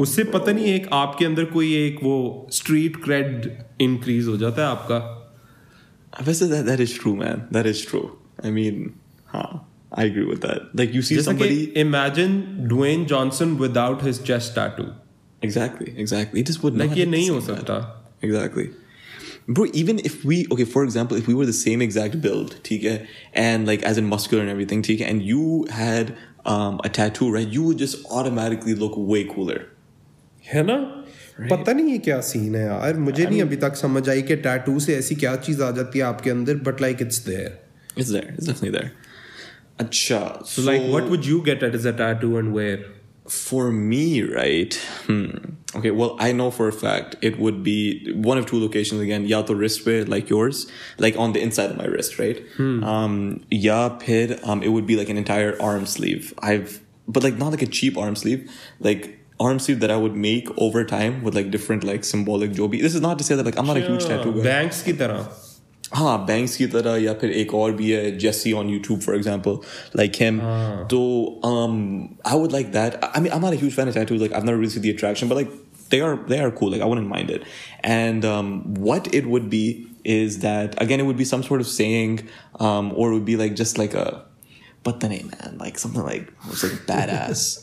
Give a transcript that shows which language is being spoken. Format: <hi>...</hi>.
<hi>उससे पता नहीं एक आपके अंदर कोई एक वो स्ट्रीट क्रेड इंक्रीज हो जाता है आपका.</hi> <en>वैसे that is true man, that is true. I mean हाँ I agree with that. Like you see somebody, imagine Dwayne Johnson without his chest tattoo. Exactly, exactly. It just would not.</en> <hi>Like, ये नहीं हो सकता.</hi> <en>Exactly. Bro, even if we, okay, for example, if we were the same exact build, theek hai, and like as in muscular and everything, theek hai, and you had a tattoo, right, you would just automatically look way cooler.</en> <hi>है ना? पता नहीं ये क्या scene है यार. मुझे नहीं अभी तक समझ आई कि टैटू से ऐसी क्या चीज आ जाती है आपके अंदर,</hi> <en>but like it's there. It's there. It's definitely there. अच्छा. So like, what would you get as a tattoo and where? For me, right? Okay, well, I know for a fact it would be one of two locations again.</en> <hi>Ya to wrist pe,</hi> <en>like yours, like on the inside of my wrist, right?</en> <hi>Ya phir,</hi> <en>it would be like an entire arm sleeve. But like not like a cheap arm sleeve, like arm sleeve that I would make over time with like different like symbolic jobi. This is not to say that like I'm not a huge tattoo guy.</en> <hi>Banks ki tarah. हाँ banks की तरह या फिर एक और भी है जेसी</hi> <en>On YouTube for example like him. तो I would like that. I mean I am not a huge fan of tattoos, like I have never really seen the attraction, but like they are cool, like I wouldn't mind it. And what it would be is that, again it would be some sort of saying और would be like just like a</en> <hi>पता नहीं</hi> <en>Man, like something like it's like badass.</en>